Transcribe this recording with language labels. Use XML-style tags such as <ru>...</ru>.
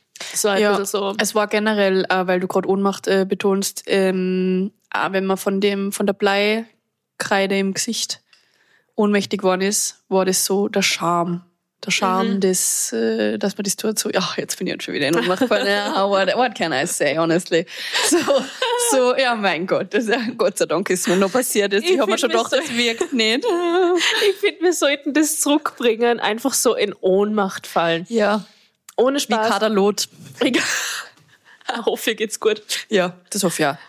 <de>Es war halt ja, ein bisschen so. Es war generell, weil du gerade Ohnmacht betonst, wenn man von der Bleikreide im Gesicht ohnmächtig geworden ist, war das so der Charme. Der Charme, dass man das tut, so, ja, jetzt bin ich schon wieder in Ohnmacht gefallen.</de> <en>Yeah, what can I say, honestly?</en> <de>So, ja, mein Gott, das, Gott sei Dank ist mir noch passiert. Jetzt, ich habe mir schon gedacht, das wirkt nicht. Ich finde, wir sollten das zurückbringen, einfach so in Ohnmacht fallen. Ja. Ohne Spaß. Wie Kaderlot. Ich hoffe, ihr geht's gut. Ja, das hoffe ich ja.</de>